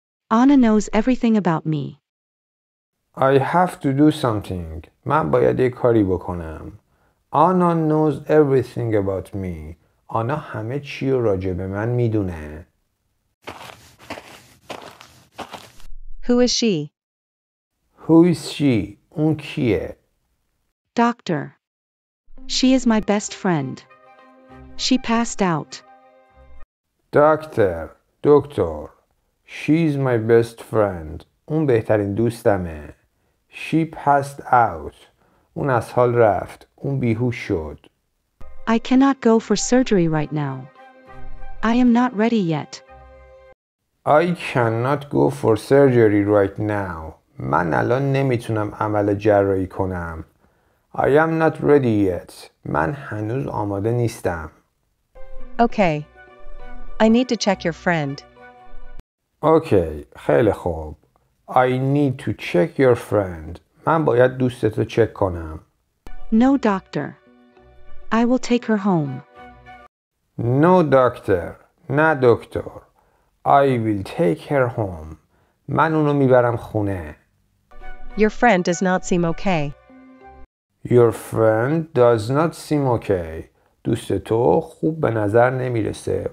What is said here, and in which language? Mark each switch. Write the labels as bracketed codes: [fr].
[en] Anna knows everything about me. I have to do something. [fa] من باید یک کاری بکنم. [en] Anna knows everything about me. [fa] Anna همه چی رو راجع به من میدونه. [en] Who is she? Who is she? [fa] اون کیه؟ [en] Doctor. She is my best friend. She passed out. Doctor. دکتر. She is my best friend. [fa] اون بهترین دوستمه. [en] She passed out. [fa] اون از حال رفت. اون بیهوش شد. [en] I cannot go for surgery right now. I am not ready yet. I cannot go for surgery right now. [fa] من الان نمیتونم عمل جراحی کنم. [en] I am not ready yet. [fa] من هنوز آماده نیستم. [en] Okay. I need to check your friend. [fa] Okay. خیلی خوب. [en] I need to check your friend. [fa] من باید دوستتو چک کنم. [en] No, doctor. I will take her home. No, doctor. [fa] نه دکتر. [en] I will take her home. [fa] من اونو میبرم خونه. [en] Your friend does not seem okay. Your friend does not seem okay. [fa] دوست تو خوب به نظر نمیرسه.